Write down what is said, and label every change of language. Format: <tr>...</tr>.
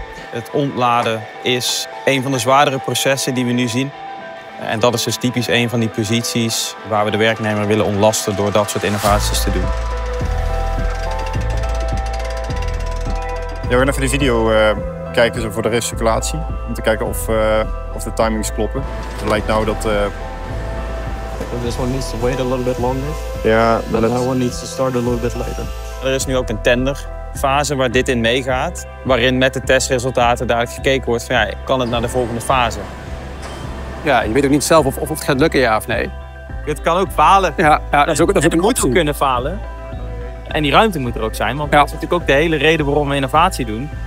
<nl>Het ontladen is een van de zwaardere processen die we nu zien. En dat is dus typisch een van die posities waar we de werknemer willen ontlasten door dat soort innovaties te doen. Ja, we gaan even de video kijken voor de recirculatie. Om te kijken of de timings kloppen. Het lijkt nou dat...</nl> <en>This one needs to wait a little bit longer. Yeah, but that one needs to start a little bit later.</en> <nl>Er is nu ook een tenderfase waar dit in meegaat. Waarin met de testresultaten dadelijk gekeken wordt van ja, kan het naar de volgende fase? Ja, je weet ook niet zelf of het gaat lukken, ja of nee. Het kan ook falen. Ja, dat is ook een optie. Het moet ook kunnen falen. En die ruimte moet er ook zijn, want dat is natuurlijk ook de hele reden waarom we innovatie doen.</nl>